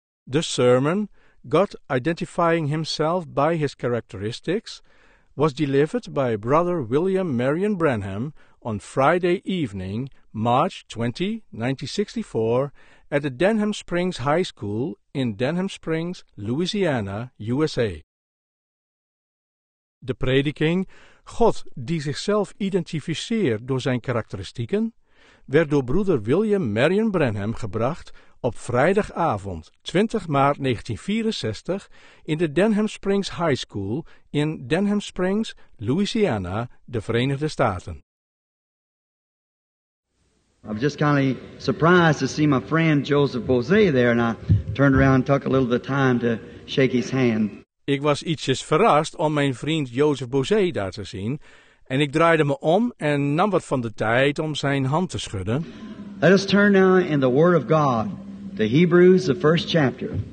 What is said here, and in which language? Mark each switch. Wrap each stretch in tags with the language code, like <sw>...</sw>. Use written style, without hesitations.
<en>The sermon, God Identifying Himself by His Characteristics, was delivered by Brother William Marion Branham on Friday evening, March 20, 1964, at the Denham Springs High School in Denham Springs, Louisiana, USA.</en> <nl>De prediking, God die zichzelf identificeert door zijn karakteristieken, werd door broeder William Marion Branham gebracht op vrijdagavond 20 maart 1964 in de Denham Springs High School in Denham Springs, Louisiana, de Verenigde Staten.</nl> <en>I was just kind of surprised to see my friend Joseph Bose there, and I turned around and took a little of the time to shake his hand.</en> <nl>Ik was ietsjes verrast om mijn vriend Joseph Bose daar te zien, en ik draaide me om en nam wat van de tijd om zijn hand te schudden.</nl> <en>Let us turn now in the Word of God, the Hebrews, the first chapter.</en>